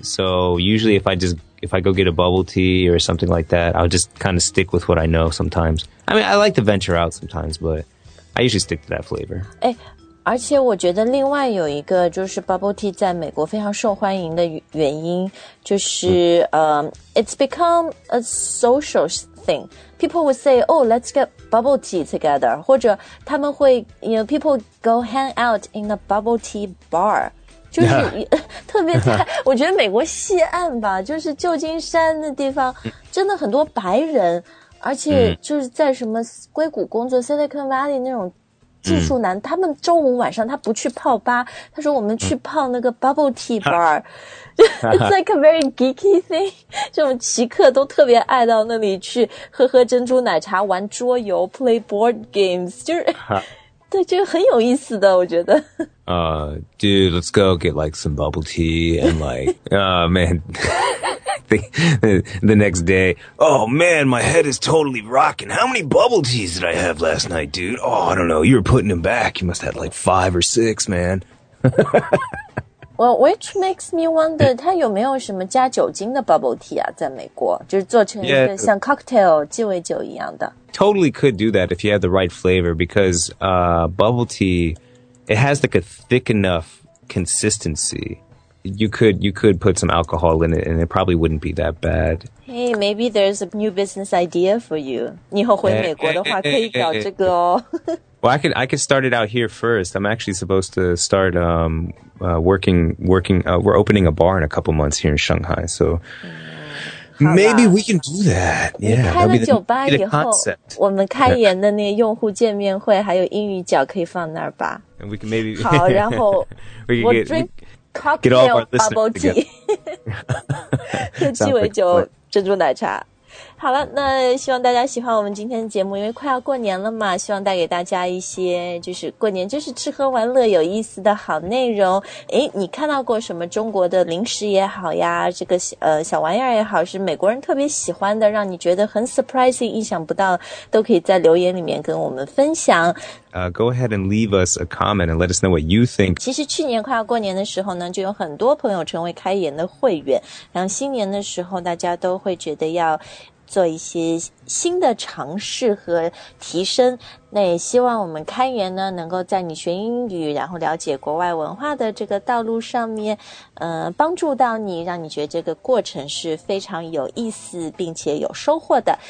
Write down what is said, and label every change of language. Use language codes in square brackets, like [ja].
[en] So usually if I go get a bubble tea or something like that, I'll just kind of stick with what I know sometimes. I mean, I like to venture out sometimes, but I usually stick to that flavor. [zh] 而且我觉得另外有一个就是 bubble tea 在美国非常受欢迎的原因就是 it's become a social thing. [en] People would say, oh, let's get bubble tea together. 或者他们会 you know, people go hang out in the bubble tea bar. 就是、yeah. [zh] 特别在我觉得美国西岸吧就是旧金山的地方真的很多白人而且就是在什么硅谷工作 Silicon Valley 那种技术男他们周五晚上他不去泡吧他说我们去泡那个 bubble tea bar. [en] It's like a very geeky thing. [zh] 这种奇客都特别爱到那里去喝喝珍珠奶茶玩桌游 play board games. 就是对这个很有意思的我觉得。 [en] Dude, let's go get like some bubble tea and like, oh man. the next day, oh man, my head is totally rocking. How many bubble teas did I have last night, dude? Oh, I don't know. You were putting them back. You must have had like 5 or 6, man. [zh] Well, which makes me wonder, 他有没有什么加酒精的 bubble tea 啊，在美国，就是做成一个像 cocktail 鸡尾酒一样的。 [en] Totally could do that if you had the right flavor, because bubble tea, it has like a thick enough consistency. You could put some alcohol in it, and it probably wouldn't be that bad. Hey, maybe there's a new business idea for you. [zh] 以后回美国的话可以搞这个哦。 [en] Well, I could start it out here first. I'm actually supposed to start we're opening a bar in a couple months here in Shanghai, so maybe we can do that. Yeah, that'd be the concept. [zh] 我们开言的那个用户见面会还有英语角可以放那儿吧。 [en] And we can maybe [zh] 好，然后 [en] we can get all our listeners together. [zh] 鸡尾酒珍珠奶茶。好了，那希望大家喜欢我们今天的节目，因为快要过年了嘛，希望带给大家一些就是过年就是吃喝玩乐有意思的好内容。诶，你看到过什么中国的零食也好呀，这个小玩意儿也好，是美国人特别喜欢的，让你觉得很 surprising 意想不到，都可以在留言里面跟我们分享。 [en] Go ahead and leave us a comment and let us know what you think. [zh] 其实去年快要过年的时候呢，就有很多朋友成为开言的会员，然后新年的时候大家都会觉得要做一些新的尝试和提升，那也希望我们开源呢能够在你学英语然后了解国外文化的这个道路上面帮助到你，让你觉得这个过程是非常有意思并且有收获的。